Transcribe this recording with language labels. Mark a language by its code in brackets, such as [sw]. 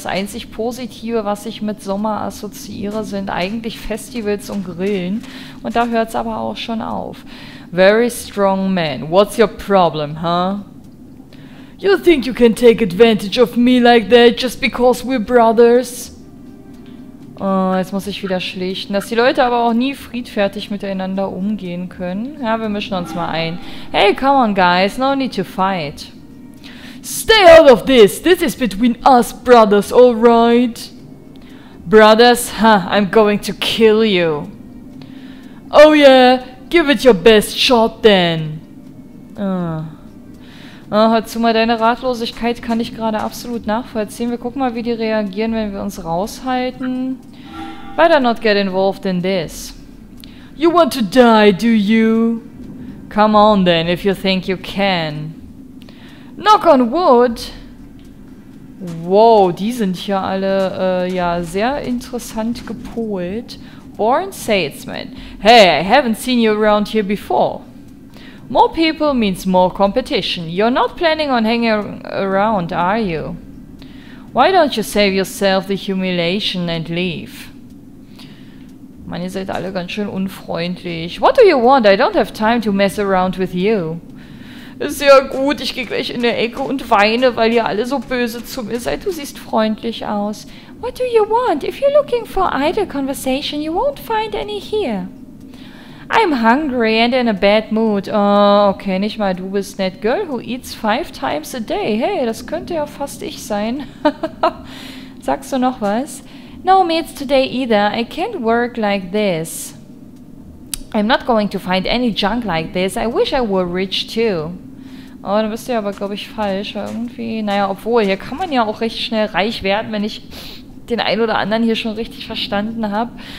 [de] Das einzig Positive, was ich mit Sommer assoziiere, sind eigentlich Festivals und Grillen und da hört es aber auch schon auf. [en] Very strong man. What's your problem, huh? You think you can take advantage of me like that just because we're brothers? [de] Oh, jetzt muss ich wieder schlichten. Dass die Leute aber auch nie friedfertig miteinander umgehen können. Ja, wir mischen uns mal ein. [en] Hey, come on, guys. No need to fight. Stay out of this. This is between us brothers, alright? Brothers? Huh, I'm going to kill you. Oh, yeah. Give it your best shot, then. [de] Oh, hör zu mal, deine Ratlosigkeit kann ich gerade absolut nachvollziehen. Wir gucken mal, wie die reagieren, wenn wir uns raushalten. [en] Better not get involved in this. You want to die, do you? Come on, then, if you think you can. Knock on wood. [de] Wow, die sind hier alle, ja, sehr interessant gepolt. [en] Born salesman. Hey, I haven't seen you around here before. More people means more competition. You're not planning on hanging around, are you? Why don't you save yourself the humiliation and leave? [de] Man, ihr seid alle ganz schön unfreundlich. [en] What do you want? I don't have time to mess around with you. [de] Ist ja gut, ich gehe gleich in der Ecke und weine, weil ihr alle so böse zu mir seid. [en] Du siehst freundlich aus. What do you want? If you're looking for idle conversation, you won't find any here. I'm hungry and in a bad mood. [de] Oh, okay, nicht mal du bist nett. [en] Girl who eats 5 times a day. [de] Hey, das könnte ja fast ich sein. Sagst du noch was? [en] No meals today either. I can't work like this. I'm not going to find any junk like this. I wish I were rich too. [de] Oh, dann bist du ja aber, glaube ich, falsch. Weil irgendwie, naja, obwohl, hier kann man ja auch recht schnell reich werden, wenn ich den einen oder anderen hier schon richtig verstanden habe.